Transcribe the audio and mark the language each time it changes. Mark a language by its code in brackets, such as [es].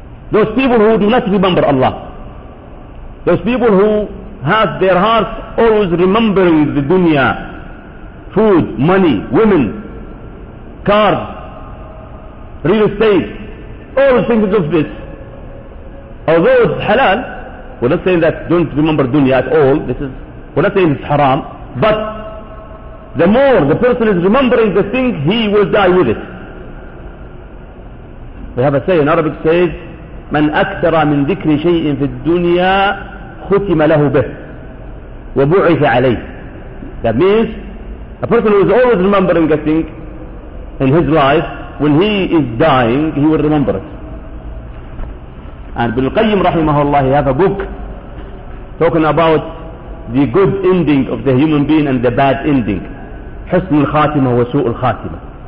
[en] Those people who do not remember Allah, those people who have their hearts always remembering the dunya, food, money, women, cars, real estate, always thinking of this. Although it's halal, we're not saying that don't remember dunya at all, we're not saying it's haram, but the more the person is remembering the thing, he will die with it. We have a saying, in Arabic says, [ar] من أكثر من ذكر شيء في الدنيا ختم له به وبعث عليه. [en] That means a person who is always remembering a thing in his life, when he is dying, he will remember it. And Ibn al-Qayyim rahimahullah, he has a book talking about the good ending of the human being and the bad ending, [ar] حسن الخاتمة وسوء الخاتمة.